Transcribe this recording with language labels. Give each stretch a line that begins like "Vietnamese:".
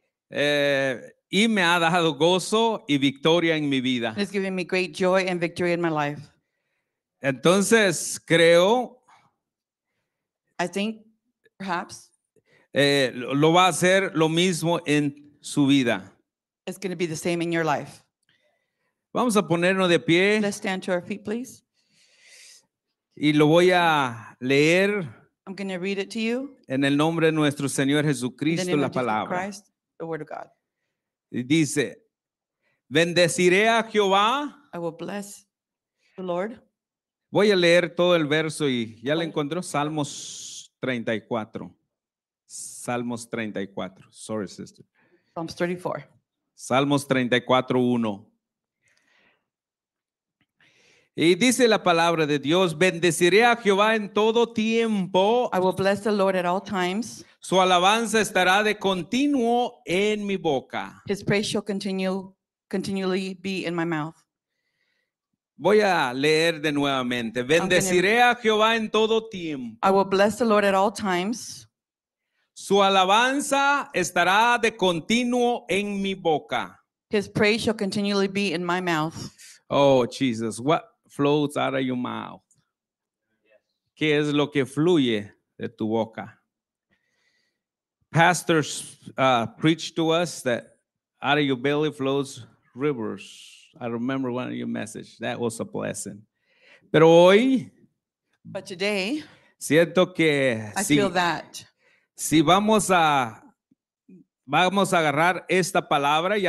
Spanish: Y me ha dado gozo y victoria en mi vida.
English: It's given me great joy and victory in my life.
Spanish: Entonces, creo.
English: I think, perhaps.
Spanish: Lo va a hacer lo mismo en su vida.
English: It's going to be the same in your life.
Spanish: Vamos a ponernos de pie.
English: Let's stand to our feet, please.
Spanish: Y lo voy a leer.
English: I'm going to read it to you.
Spanish: En el nombre de nuestro Señor Jesucristo, la palabra.
English: In the name of Jesus Christ, the word of God.
Spanish: Y dice, bendeciré a Jehová.
English: I will bless the Lord.
Spanish: Voy a leer todo el verso y ya lo encontró. Salmos 34. Salmos 34.
English: Sorry, sister. Psalms 34.
Spanish: Salmos 34, 1. Y dice la palabra de Dios, bendeciré a Jehová en todo tiempo.
English: I will bless the Lord at all times.
Spanish: Su alabanza estará de continuo en mi boca.
English: His praise shall continually be in my mouth.
Spanish: Voy a leer de nuevamente. Bendeciré a Jehová en todo tiempo.
English: I will bless the Lord at all times.
Spanish: Su alabanza estará de continuo en mi boca.
English: His praise shall continually be in my mouth. Oh, Jesus. What floats out of your mouth?
Spanish: ¿Qué es lo que fluye de tu boca?
English: Pastors preach to us that out of your belly flows rivers. I remember one of your messages. That was a blessing.
Spanish: Pero hoy.
English: But today.
Spanish: Siento que.
English: I si, feel that.
Spanish: Si vamos a agarrar esta palabra y